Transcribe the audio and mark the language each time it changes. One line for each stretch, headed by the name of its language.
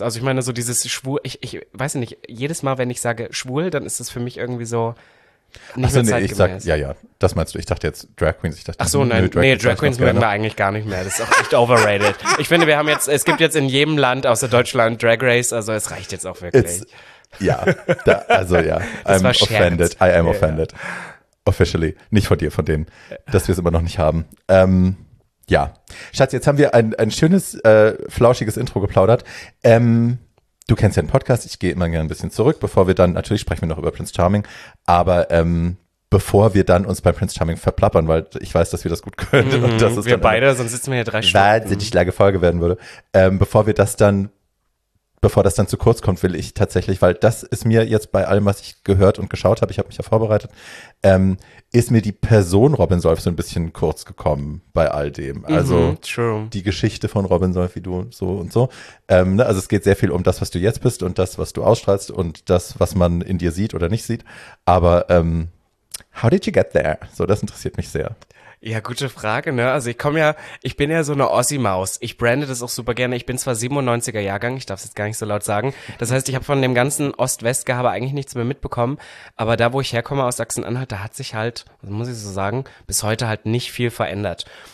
German: Also ich meine so dieses schwul, ich weiß nicht, jedes Mal, wenn ich sage schwul, dann ist das für mich irgendwie so nicht mehr zeitgemäß. Achso, nee, ja, das meinst du, ich dachte jetzt Drag Queens, ich dachte, ach so, nein, Drag Queens mögen wir eigentlich gar nicht mehr, das ist auch echt overrated. Ich finde, wir haben jetzt, es gibt jetzt in jedem Land außer Deutschland Drag Race, also es reicht jetzt auch wirklich.
English: I'm offended, I am offended.
German: Officially, nicht von dir, von denen, dass wir es immer noch nicht haben. Ja, Schatz, jetzt haben wir ein schönes, flauschiges Intro geplaudert. Du kennst ja den Podcast, ich gehe immer gerne ein bisschen zurück, bevor wir dann, natürlich sprechen wir noch über Prince Charming, aber bevor wir dann uns bei Prince Charming verplappern, weil ich weiß, dass wir das gut können. Und das ist wir beide, sonst sitzen wir hier 3 Stunden. Wahnsinnig lange Folge werden würde. Bevor das dann zu kurz kommt, will ich tatsächlich, weil das ist mir jetzt bei allem, was ich gehört und geschaut habe, ich habe mich ja vorbereitet, ist mir die Person Robin Solf so ein bisschen kurz gekommen bei all dem. Also die Geschichte von Robin Solf, wie du so und so. Also es geht sehr viel um das, was du jetzt bist und das, was du ausstrahlst und das, was man in dir sieht oder nicht sieht. Aber
English: how did you get there?
German: So, das interessiert mich sehr. Ja, gute Frage, ne? Also ich bin ja so eine Ossi-Maus. Ich brande das auch super gerne. Ich bin zwar 97er Jahrgang, ich darf es jetzt gar nicht so laut sagen. Das heißt, ich habe von dem ganzen Ost-West-Gehabe eigentlich nichts mehr mitbekommen. Aber da, wo ich herkomme aus Sachsen-Anhalt, da hat sich halt, muss ich so sagen, bis heute halt nicht viel verändert.